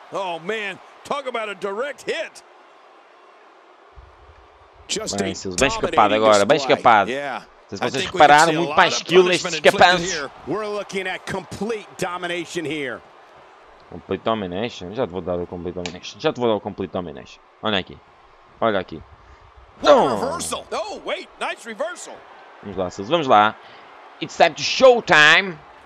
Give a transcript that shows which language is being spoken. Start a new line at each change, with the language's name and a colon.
English: Oh man, talk about a direct hit.
Portuguese: Just bem, Sils, bem escapado agora, bem escapado. Yeah. Se vocês repararam, muito mais skill nestes escapantes.
English: We're looking at complete domination here.
Portuguese: Complete domination? Já te vou dar o
English: complete domination.
Portuguese: Já te vou dar o complete domination. Olha aqui. Olha aqui.
English: Oh. Reversal. Oh, wait, nice reversal.
Portuguese: Vamos lá, Sils, vamos lá.
English: It's time to show time.